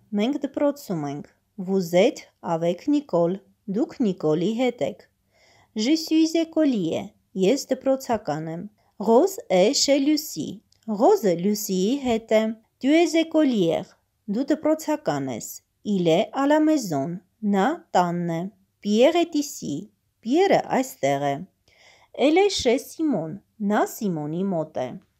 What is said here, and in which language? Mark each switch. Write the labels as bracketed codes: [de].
[hy] Մենք դպրոցում ենք։ [fr] Vous êtes avec Nicole. [hy] Դուք Նիկոլի հետ եք։ [fr] Je suis écolier. [hy] Ես դպրոցական եմ։ [fr] Rose est chez Lucie. [hy] Rose Lucie-ի հետ է։ [fr] Tu es écolier. [hy] Դու դպրոցական ես։ [fr] Il est à la maison. [hy] Նա տանն է։ [fr] Pierre est ici. [hy] Pierre-ը այստեղ է։ [fr] Elle est chez Simon. [hy] Նա Սիմոնի մոտ է։